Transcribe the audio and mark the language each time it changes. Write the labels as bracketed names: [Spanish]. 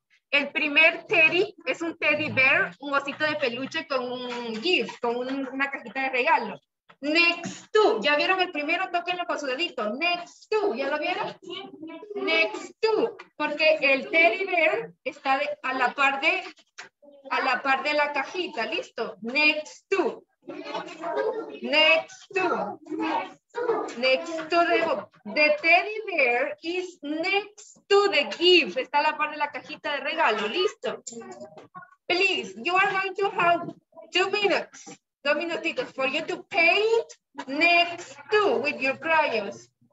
[Spanish] El primer teddy es un teddy bear, un osito de peluche con un gift, con una cajita de regalo. Next to, ¿ya vieron el primero? Tóquenlo con su dedito. Next to, ¿ya lo vieron? Next to, porque el teddy bear está a la par de la cajita, ¿listo? [English] Next to. Next to. Next to the teddy bear is next to the gift. [Spanish] Está a la par de la cajita de regalo, ¿listo? [English] Please, you are going to have 2 minutes. 2 minutitos for you to paint next to with your crayons.